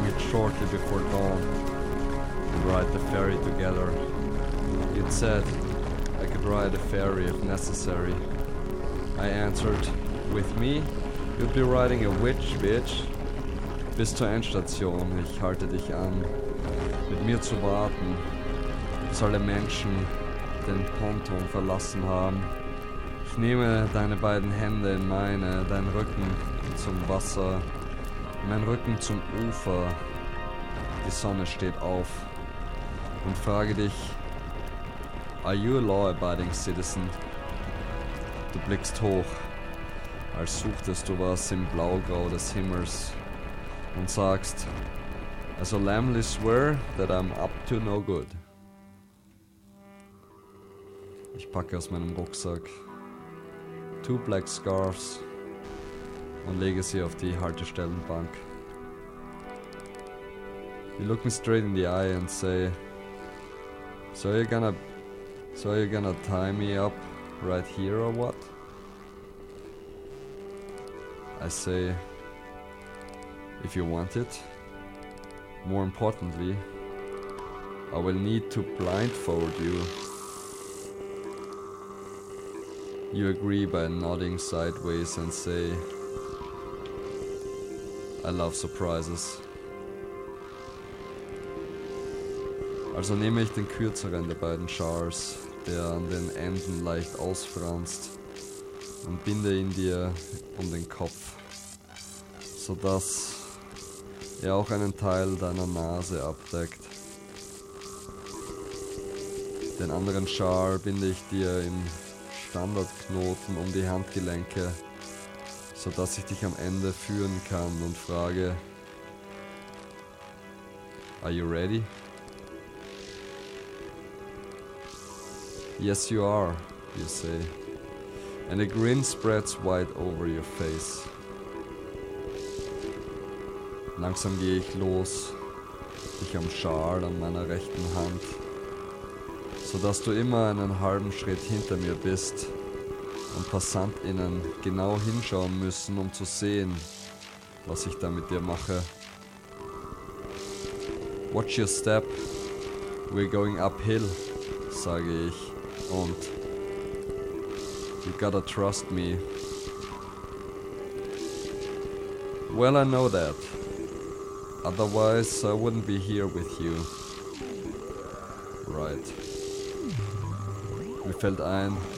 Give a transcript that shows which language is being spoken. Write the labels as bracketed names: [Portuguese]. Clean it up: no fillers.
[English] Shortly before dawn, we ride the ferry together. It said I could ride a ferry if necessary. I answered, with me, you'd be riding a witch, bitch. [German] Bis zur Endstation, ich halte dich an. Mit mir zu warten, bis alle Menschen den Ponton verlassen haben. Ich nehme deine beiden Hände in meine, dein Rücken zum Wasser, mein Rücken zum Ufer. Die Sonne steht auf und frage dich, [English] are you a law-abiding citizen? [German] Du blickst hoch, als suchtest du was im Blaugrau des Himmels und sagst, [English] I solemnly swear that I'm up to no good. [German] Ich packe aus meinem Rucksack 2 [English] black scarves [German] und lege sie auf die Haltestellenbank. [English] You look me straight in the eye and say, So you're gonna tie me up right here or what? I say, if you want it. More importantly, I will need to blindfold you. You agree by nodding sideways and say, I love surprises. [German] Also nehme ich den kürzeren der beiden Schals, der an den Enden leicht ausfranst, und binde ihn dir um den Kopf, sodass er auch einen Teil deiner Nase abdeckt. Den anderen Schal binde ich dir im Standardknoten um die Handgelenke, sodass ich dich am Ende führen kann und frage, [English] are you ready? Yes, you are, you say, and a grin spreads wide over your face. [German] Langsam gehe ich los, dich am Schal an meiner rechten Hand, sodass du immer einen halben Schritt hinter mir bist und PassantInnen genau hinschauen müssen, um zu sehen, was ich da mit dir mache. [English] Watch your step, we're going uphill, [German] sage ich. Und [English] you gotta trust me. Well, I know that. Otherwise, I wouldn't be here with you. Right. [German] Mir fällt ein.